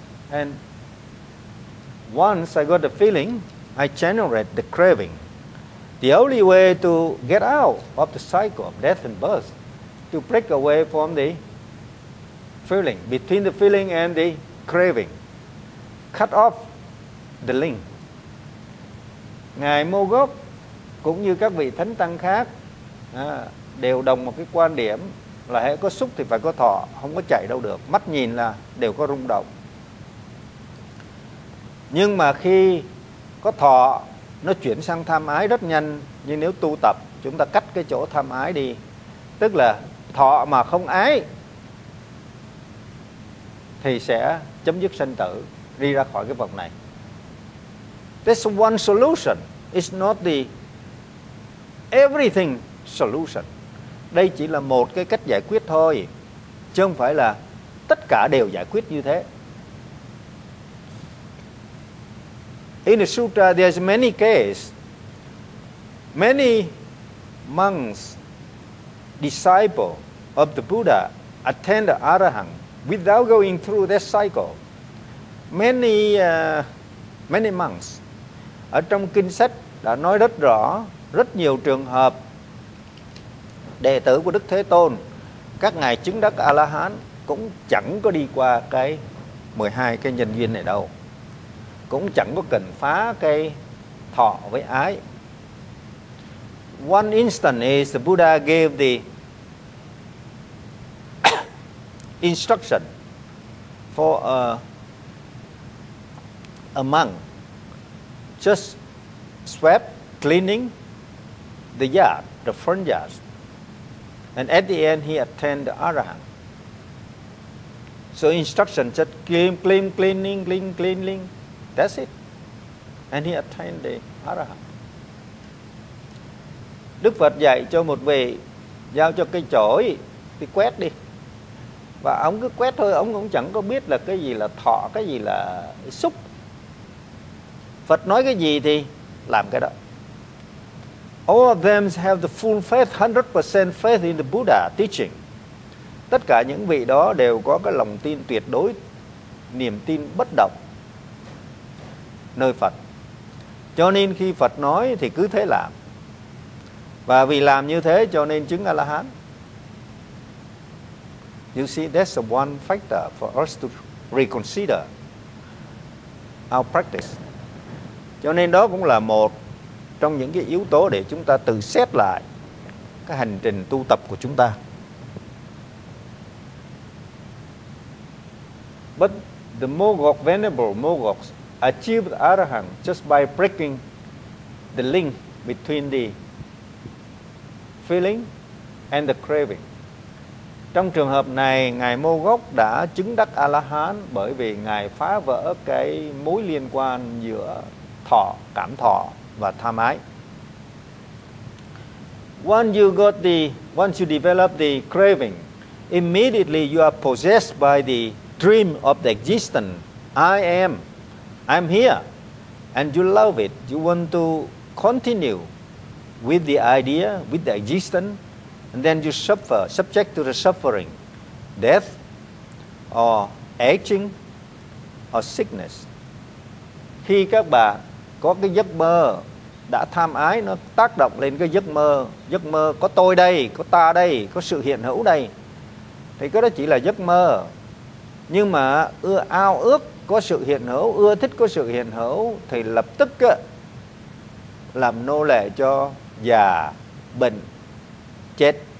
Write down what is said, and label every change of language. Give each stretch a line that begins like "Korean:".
English: And once I got the feeling, I generate the craving. The only way to get out of the cycle of death and birth, to break away from the feeling, between the feeling and the craving. Cut off the link.
Vietnamese: Ngài Mô Gốc cũng như các vị thánh tăng khác đều đồng một cái quan điểm là hễ có xúc thì phải có thọ, không có chạy đâu được. Mắt nhìn là đều có rung động. Nhưng mà khi có thọ, nó chuyển sang tham ái rất nhanh. Nhưng nếu tu tập, chúng ta cắt cái chỗ tham ái đi. Tức là thọ mà không ái thì sẽ chấm dứt sinh tử, đi ra khỏi cái vòng này.
English: That's one solution. It's not the everything solution.
Vietnamese: Đây chỉ là một cái cách giải quyết thôi, chứ không phải là tất cả đều giải quyết như thế.
English: In the sutra, there's many cases. Many monks, disciples of the Buddha, attend the Arahant without going through that cycle. Many monks.
Vietnamese: Ở trong kinh sách đã nói rất rõ, rất nhiều trường hợp đệ tử của Đức Thế Tôn, các ngài chứng đắc A-la-hán cũng chẳng có đi qua cái 12 cái nhân duyên này đâu. Cũng chẳng có cần phá cái thọ với ái.
English: One instance is the Buddha gave the instruction for a monk just swept cleaning the yard, the front yard. And at the end, he attained the Arahant. So instruction, just clean. That's it. And he attained the Arahant.
Vietnamese: Đức Phật dạy cho một vị, giao cho cái chổi thì quét đi. Và ông cứ quét thôi, ông cũng chẳng có biết là cái gì là thọ, cái gì là xúc. Phật nói cái gì thì làm cái đó.
English: All of them have the full faith, 100% faith in the Buddha teaching.
Vietnamese: Tất cả những vị đó đều có cái lòng tin tuyệt đối, niềm tin bất động nơi Phật. Cho nên khi Phật nói thì cứ thế làm. Và vì làm như thế cho nên chứng A-la-hán.
English: You see, that's the one factor for us to reconsider our practice.
Vietnamese: Cho nên đó cũng là một trong những cái yếu tố để chúng ta tự xét lại cái hành trình tu tập của chúng ta.
English: But the Mogok Venerable Mogoks achieved Arahant just by breaking the link between the feeling and the craving.
Vietnamese: Trong trường hợp này, Ngài Mô Gốc đã chứng đắc A-la-hán bởi vì Ngài phá vỡ cái mối liên quan giữa thọ, cảm thọ và tham ái.
English: Once you develop the craving, immediately you are possessed by the dream of the existence. I'm here. And you love it. You want to continue with the idea, with the existence. And then you suffer, subject to the suffering, death, or aging, or sickness.
Vietnamese: Khi các bạn có cái giấc mơ đã tham ái, nó tác động lên cái giấc mơ có tôi đây, có ta đây, có sự hiện hữu đây, thì cái đó chỉ là giấc mơ. Nhưng mà ưa ao ước có sự hiện hữu, ưa thích có sự hiện hữu, thì lập tức làm nô lệ cho già, bệnh, chết.